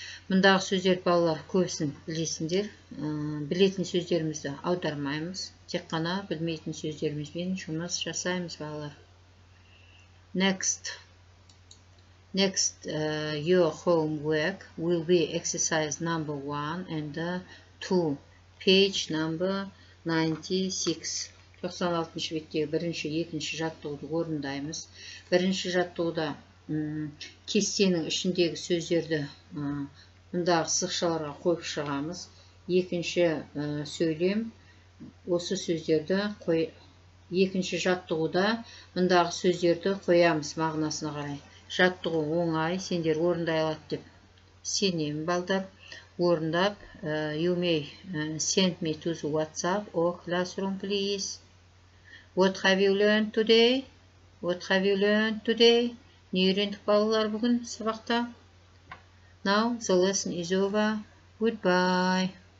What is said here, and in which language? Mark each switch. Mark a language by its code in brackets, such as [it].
[kk] Мындағы сөздер балалар көбісін білесіндер. Білетін сөздерімізді аудармаймыз. Тек қана білмейтін сөздерімізбен жұмыс жасаймыз балалар. [en] Next. Next, your homework will be exercise number 1 and 2. Page number 96. [kk] 96 беттегі бірінші, екінші жаттығуды орындаймыз. Бірінші жаттығуда кестенің ішіндегі сөздерді мұндағы сықшаларға қойып шығамыз. Екінші сөйлем осы сөздерді екінші жаттығуда мұндағы сөздерді қоямыз мағынасына қарай. Жаттығу оңай, сендер орындай алады деп сенемін балдар. Орындап, [en] you may send me to the WhatsApp or classroom please. What have you learned today? What have you learned today? [kk] Не үйрендік балалар бүгін сабақта? [en] Now the lesson is over. Goodbye.